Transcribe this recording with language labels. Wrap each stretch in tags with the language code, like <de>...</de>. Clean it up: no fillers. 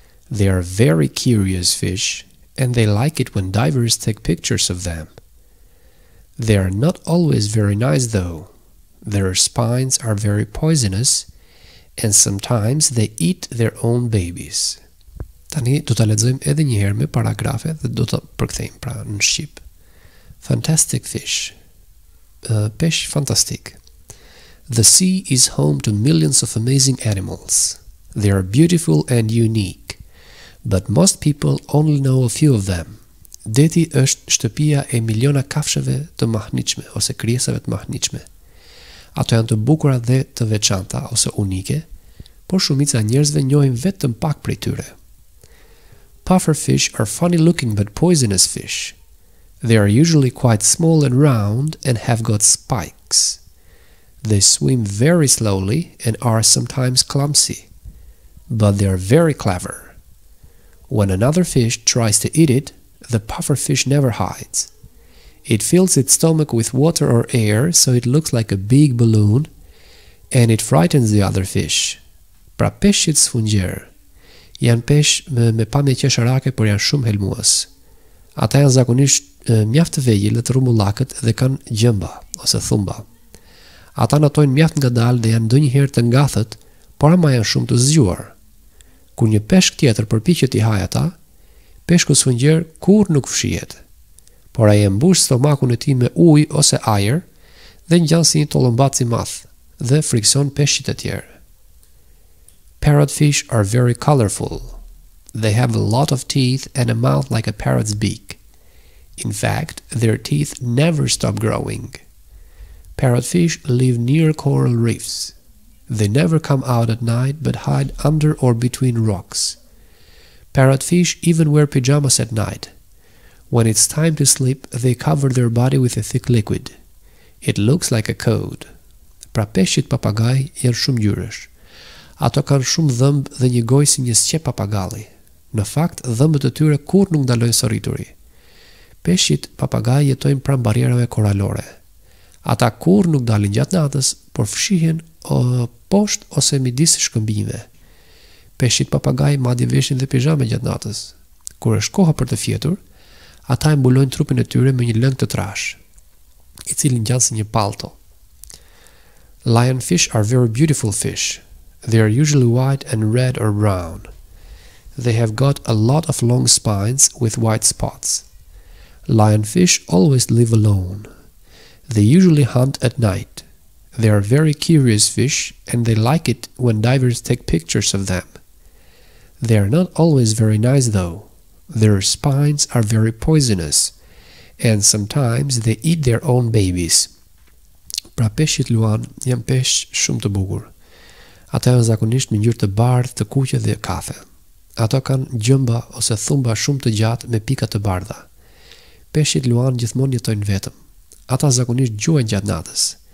<en>They are very curious fish, and they like it when divers take pictures of them. They are not always very nice, though. Their spines are very poisonous, and sometimes they eat their own babies.</en> <sq>Tani do ta lexojmë edhe një herë me paragrafe dhe do ta përkthejmë pra në shqip.</sq> <en>Fantastic fish.</en> <sq>Pesh fantastik.</sq> <en>The sea is home to millions of amazing animals. They are beautiful and unique, but most people only know a few of them.</en> <sq>Deti është shtëpia e miliona kafshëve të mahnitshme ose krijesave të mahnitshme. Ato janë të bukura dhe të veçanta ose unike, por shumica e njerëzve njohin vetëm pak prej tyre.</sq> <en>Pufferfish are funny looking but poisonous fish. They are usually quite small and round and have got spikes. They swim very slowly and are sometimes clumsy, but they are very clever. When another fish tries to eat it, the pufferfish never hides. It fills its stomach with water or air so it looks like a big balloon, and it frightens the other fish.</en> <sq>Pra peshqit sfungjerë janë pesh me pamje qesharake, por janë shumë helmues. Ata janë zakonisht mjaft të vegjël dhe të rrumullakët dhe kanë gjëmba ose thumba. Ata natojnë mjaft ngadalë dhe janë ndonjëherë të ngathët, por ama janë shumë të zgjuar. Kur një peshk tjetër përpiqet i hajë ata, peshku sfungjer kur nuk fshihet, por ai e mbush stomakun e tij me ujë ose ajër dhe ngjan si një tollëmbac i madh dhe frikson peshqit e tjerë.</sq> <en>Parrotfish are very colorful. They have a lot of teeth and a mouth like a parrot's beak. In fact, their teeth never stop growing. Parrotfish live near coral reefs. They never come out at night but hide under or between rocks. Parrotfish even wear pajamas at night. When it's time to sleep, they cover their body with a thick liquid. It looks like a coat.</en> <sq>Pra peshqit papagaj janë shumë gjyrësh. Ato kanë shumë dhëmb dhe një gojë si një sqep papagalli. Në fakt, dhëmbët e tyre kur nuk ndalojnë sorrituri. Peshqit papagaj jetojnë pranë barierave koralore. Ata kur nuk dalin gjatë natës, por fshihen poshtë ose midis shkëmbinjve. Peshqit papagaj madje veshin dhe pijame gjatë natës. Kur është koha për të fjetur, ata e mbulojnë trupin e tyre me një lëng të trash, i cili ngjan si një palto.</sq> <en>Lionfish are very beautiful fish. They are usually white and red or brown. They have got a lot of long spines with white spots. Lionfish always live alone. They usually hunt at night. They are very curious fish and they like it when divers take pictures of them. They are not always very nice though. Their spines are very poisonous and sometimes they eat their own babies.</en> <sq>Pra peshqit luan janë peshq shumë të bukur. Ata janë zakonisht me ngjyrë të bardhë, të kuqe dhe kafe. Ata kanë gjëmba ose thumba shumë të gjatë me pika të bardha. Peshqit luan gjithmonë jetojnë vetëm. Ata zakonisht gjuajnë gjatë natës.</sq>